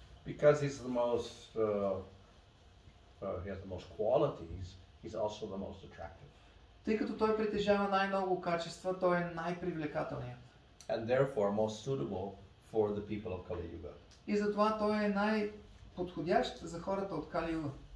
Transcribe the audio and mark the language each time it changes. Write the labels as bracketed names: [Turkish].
[English] Because he's the most he has the most qualities, he's also the most attractive. [Bulgarian] Тъй като той притежава най-много качества, той е най-привлекателният. [English] And therefore most suitable for the people of Kali Yuga. [Bulgarian] И затова той е най-подходящ за хората от Кали Юга.